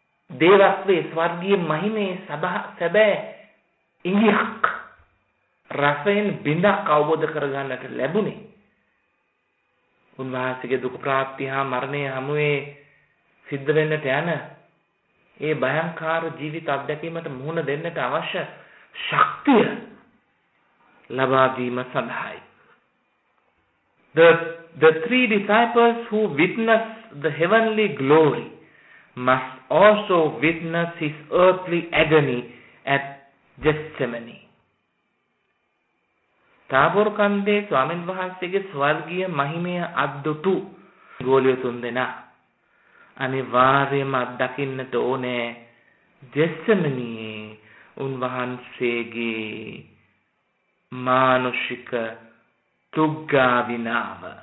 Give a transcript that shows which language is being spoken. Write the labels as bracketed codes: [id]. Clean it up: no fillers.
[si] දේවස්වේ ස්වර්ගීය මහිමේ සැබෑ ඉඟියක්, රසයෙන් බිඳක් අවබෝධ කරගන්නට ලැබුණේ උන්වහන්සේගේ දුක ප්‍රාප්ති හා මරණය හමුවේ සිද්ධ වෙන්නට යන ඒ භයංකාර ජීවිත අත්දැකීමට මුහුණ දෙන්නට අවශ්‍ය ශක්තිය ලබා දීම සඳහායි. [en] The three disciples who witnessed the heavenly glory must also witness his earthly agony at Gethsemane. [si] තාබෝර කන්දේ ස්වාමීන් වහන්සේගේ ස්වර්ගීය මහිමය අද්දුතු ගෝලිය තුන් දෙනා අනිවාර්යයෙන්ම අත්දකින්නට ඕනේ ජෙස්සමනියේ උන්වහන්සේගේ මානුෂික තුග්ගා විනාව.